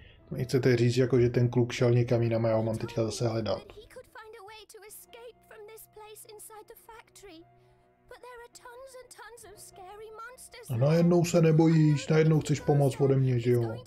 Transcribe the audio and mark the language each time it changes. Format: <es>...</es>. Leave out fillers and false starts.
<cs>Mě chcete říct, jako, že ten kluk šel někam jinam a já ho mám teďka zase hledat.</cs> <en>He could find a way to escape from this place inside the factory. But there are tons and tons of scary monsters.</en> <cs>Najednou se nebojíš, najednou chceš pomoct ode mě, že jo?</cs>